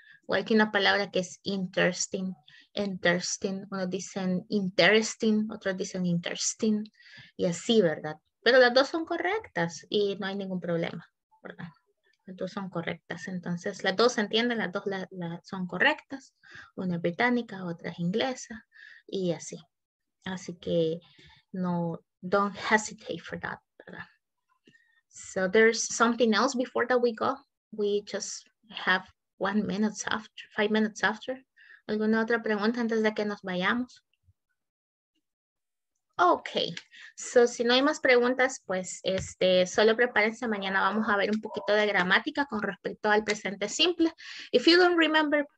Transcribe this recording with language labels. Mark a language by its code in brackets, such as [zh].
[es] O hay aquí una palabra que es interesting. Unos dicen interesting, otros dicen interesting y así, ¿verdad? Pero las dos son correctas y no hay ningún problema. Las dos son correctas, entonces las dos se entienden, las dos son correctas, una es británica, otra es inglesa y así. Así que no, [en] don't hesitate for that, [es] ¿verdad? [en] So there's something else before that we go. We just have 1 minute after, 5 minutes after. [es] ¿Alguna otra pregunta antes de que nos vayamos? Okay, so si no hay más preguntas, pues solo prepárense, mañana vamos a ver un poquito de gramática con respecto al presente simple. [en] If you don't remember,